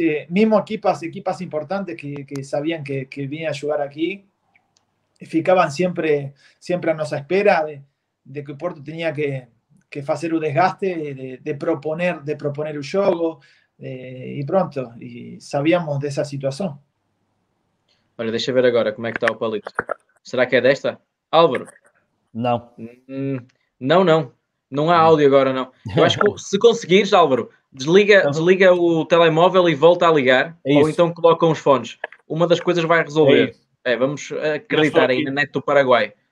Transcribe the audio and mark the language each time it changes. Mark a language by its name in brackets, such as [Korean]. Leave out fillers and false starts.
[Portuguese] Mesmo equipas importantes que sabiam que vinha a jogar aqui. [Spanish] Ficaban siempre a nuestra espera de que Porto tenía que hacer un desgaste, de proponer el juego, y pronto, y sabíamos de esa situación. [Portuguese] Olha, deixa ver agora como é que está o Palito. Será que é desta? Álvaro? Não. Não. Não há áudio agora, não. Eu acho que se conseguires, Álvaro, desliga o telemóvel e volta a ligar, ou então coloca uns fones. Uma das coisas vai resolver. Vamos acreditar aí na net do Paraguai.